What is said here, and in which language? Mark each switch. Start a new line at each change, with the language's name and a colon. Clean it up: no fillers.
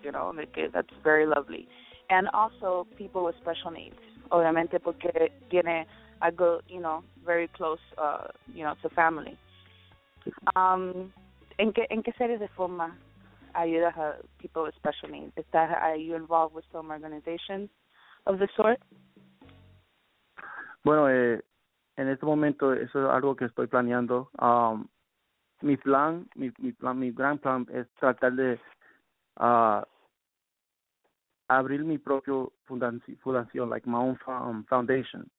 English: You know, that's very lovely. And also people with special needs,
Spanish: obviamente, porque tiene algo,
English: you know, very close, to family.
Spanish: ¿En qué series de forma ayudas a
English: people with special needs? Are you involved with some organization of the sort?
Spanish: Bueno, en este momento eso es algo que estoy planeando. Mi gran plan es tratar de abrir mi propio fundación,
English: like my own foundation.